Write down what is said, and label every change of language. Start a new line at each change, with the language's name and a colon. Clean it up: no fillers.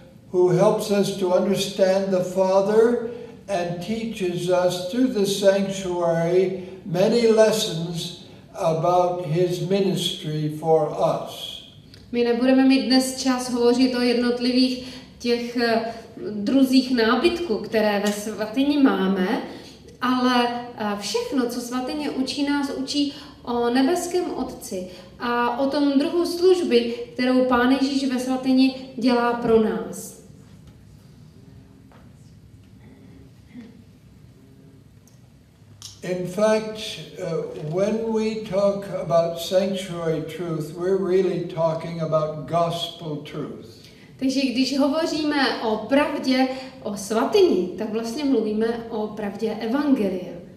English: who helps us to understand the Father and teaches us through the sanctuary many lessons about his ministry for us.
Czech: My nebudeme mít dnes čas hovořit o jednotlivých těch druzích nábytku, které ve svatyni máme, ale všechno, co svatyně učí, nás učí o nebeském Otci a o tom druhu služby, kterou Pán Ježíš ve svatyni dělá pro nás.
English: In fact, when we talk about sanctuary truth, we're really talking about gospel truth.
Czech: Takže když hovoříme o pravdě, o svatyni, tak vlastně mluvíme o pravdě evangelia.